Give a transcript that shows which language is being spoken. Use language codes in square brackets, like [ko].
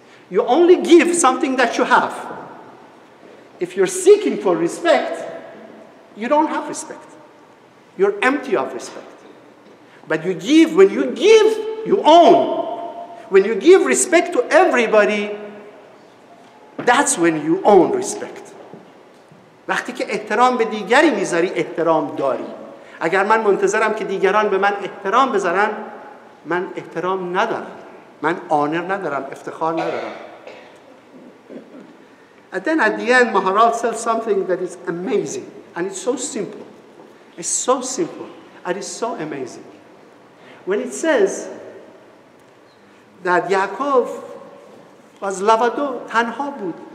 [en] You only give something that you have. If you're seeking for respect, you don't have respect. You're empty of respect. But you give, when you give, you own. When you give respect to everybody, that's when you own respect. [fa] وقتی که احترام به دیگری میذاری احترام داری. اگر من منتظرم که دیگران به من احترام بذارن من احترام ندارم. من آنر ندارم، افتخار ندارم. [en] And then at the end Maharaj says something that is amazing and it's so simple. It's so simple and it's so amazing. When it says that Yaakov was lavado, [fa] تنها بود.